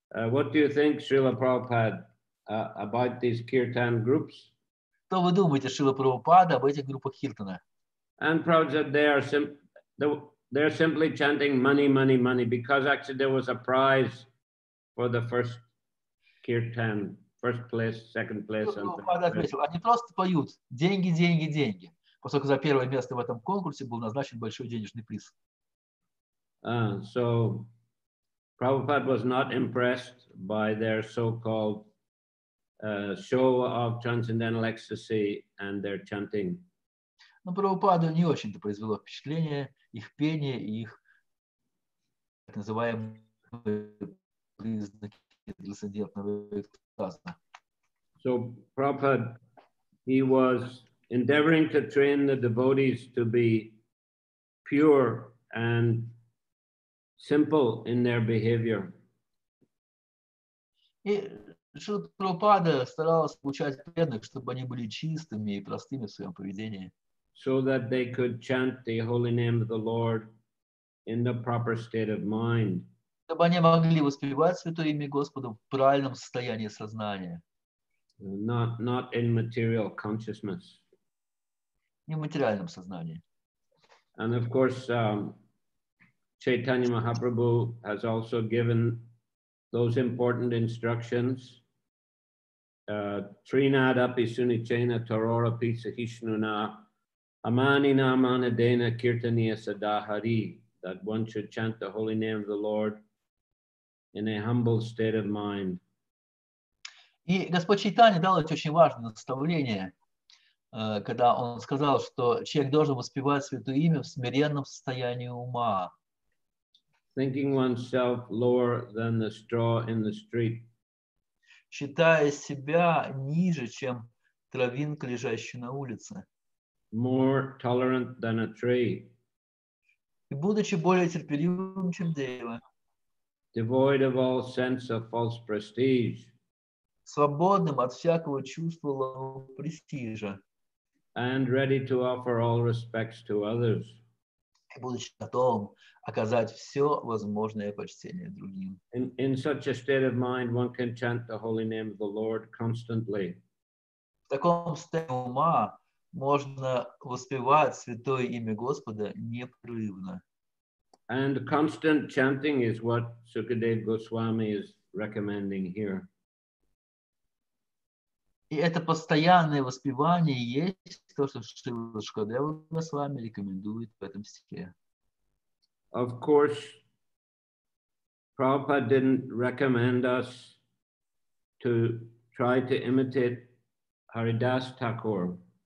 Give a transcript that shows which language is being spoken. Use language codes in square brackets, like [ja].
[en] What do you think, Srila Prabhupada, about these kirtan groups? [ru] Что вы думаете, Шрила Прабхупада, об этих группах Хилтона? [en] And Prabhupada said they're simply chanting money, money, money, because actually there was a prize for the first kirtan, first place, second place. [ru] Прабхупада ответил, они просто поют деньги, деньги, деньги, поскольку за первое место в этом конкурсе был назначен большой денежный приз. [en] So Prabhupada was not impressed by their so-called show of transcendental ecstasy and their chanting. [ru] Но Прабхупаду не очень-то произвело впечатление их пение и их так называемые признаки трансцендентного экстаза. [en] So Prabhupada, he was endeavoring to train the devotees to be pure and simple in their behavior. [ru] Шрила Прабхупада старался обучать преданных, чтобы они были чистыми и простыми в своем поведении. [en] So that they could chant the holy name of the Lord in the proper state of mind. [ru] Чтобы они могли воспевать святое имя Господа в правильном состоянии сознания. [en] Not in material consciousness. [ru] Не в материальном сознании. [en] And of course, Chaitanya Mahaprabhu has also given those important instructions. [sa] Trinad api sunichena tarora pisa hishnuna amani namana dena kirtaniya sadahari, [en] that one should chant the holy name of the Lord in a humble state of mind. [ru] И Господь Чайтанья дал очень важное наставление, когда он сказал, что человек должен воспевать святое имя в смиренном состоянии ума. [en] Thinking oneself lower than the straw in the street. [ru] Считая себя ниже, чем травинка, лежащая на улице. [en] More tolerant than a tree. [ru] И будучи более терпеливым, чем дерево. [en] Devoid of all sense of false prestige. [ru] Свободным от всякого чувства престижа. [en] And ready to offer all respects to others. [ru] И будучи готовым оказать все возможное почтение другим. [en] In such a state of mind, one can chant the holy name of the Lord constantly. [ru] В таком состоянии ума можно воспевать святое имя Господа непрерывно. [en] And constant chanting is what Sukadeva Goswami is recommending here. [ru] И это постоянное воспевание есть то, что Шрила Шукадева Госвами рекомендует в этом стихе. [en] Of course, Prabhupada didn't recommend us to try to imitate Haridas Thakur.